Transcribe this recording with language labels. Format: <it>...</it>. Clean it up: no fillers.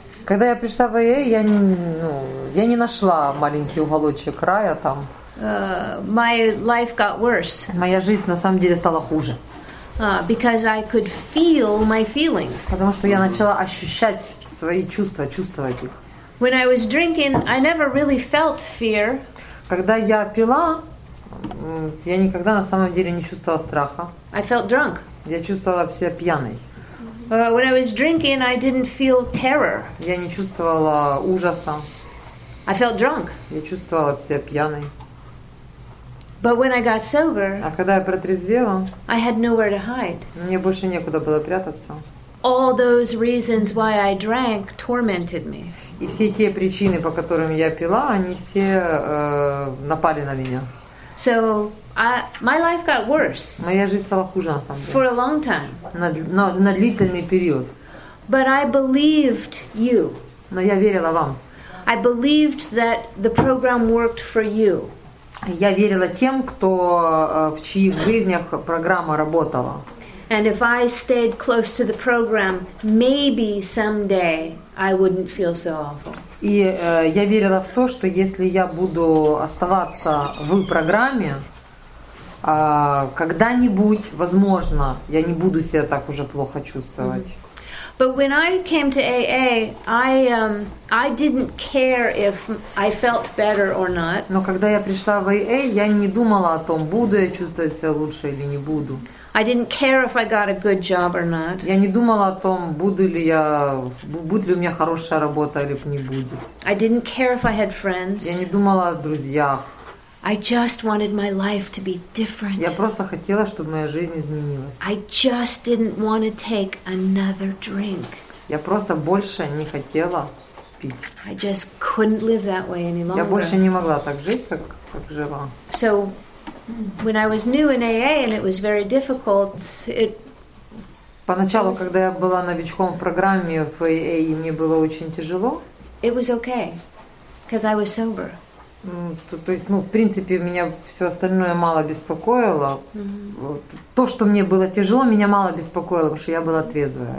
<ru>Когда я пришла в AA, я не нашла маленький уголочек рая там.</ru> <en>My life got worse.</en> <ru>Моя жизнь на самом деле стала хуже.</ru> <en>Because I could feel my feelings.</en> <ru>Потому что я начала ощущать свои чувства, чувствовать их.</ru> <en>When I was drinking, I never really felt fear.</en> <ru>Когда я пила, я никогда на самом деле не чувствовала страха.</ru> <en>I felt drunk.</en> <ru>Я чувствовала себя пьяной.</ru> <en>When I was drinking, I didn't feel terror.</en> <ru>Я не чувствовала ужаса.</ru> <en>I felt drunk.</en> <ru>Я чувствовала себя пьяной.</ru> <en>But when I got sober,</en> <ru>а когда я протрезвела,</ru> <en>I had nowhere to hide.</en> <ru>Мне больше некуда было прятаться.</ru> <en>All those reasons why I drank tormented me.</en> <ru>И все те причины, по которым я пила, они все напали на меня.</ru> <en>So my life got worse.</en> <ru>Моя жизнь стала хуже на самом деле.</ru> <en>For a long time.</en> <ru>На длительный период.</ru> <en>But I believed you.</en> <ru>Но я верила вам.</ru> <en>I believed that the program worked for you.</en> <ru>Я верила тем, кто в чьих жизнях программа работала.</ru> <en>And if I stayed close to the program, maybe someday I wouldn't feel so awful.</en> <ru>И я верила в то, что если я буду оставаться в программе, когда-нибудь, возможно, я не буду себя так уже плохо чувствовать. Mm-hmm.</ru> <en>But when I came to AA, I didn't care if I felt better or not.</en> <ru>Но когда я пришла в AA, я не думала о том, буду я чувствовать себя лучше или не буду.</ru> <en>I didn't care if I got a good job or not.</en> <ru>Я не думала о том, будет ли у меня хорошая работа или не будет.</ru> <en>I didn't care if I had friends.</en> <ru>Я не думала о друзьях.</ru> <en>I just wanted my life to be different.</en> <ru>Я просто хотела, чтобы моя жизнь изменилась.</ru> <en>I just didn't want to take another drink.</en> <ru>Я просто больше не хотела пить.</ru> <en>I just couldn't live that way any longer.</en> <ru>Я больше не могла так жить, как жила.</ru> <en>So when I was new in AA and it was very difficult,</en> <ru>Поначалу, когда я была новичком в программе в AA, и мне было очень тяжело.</ru> <en>It was okay, because I was sober.</en> <ru>То есть, ну, в принципе, меня все остальное мало беспокоило. Mm-hmm. То, что мне было тяжело, меня мало беспокоило, потому что я была трезвая.</ru>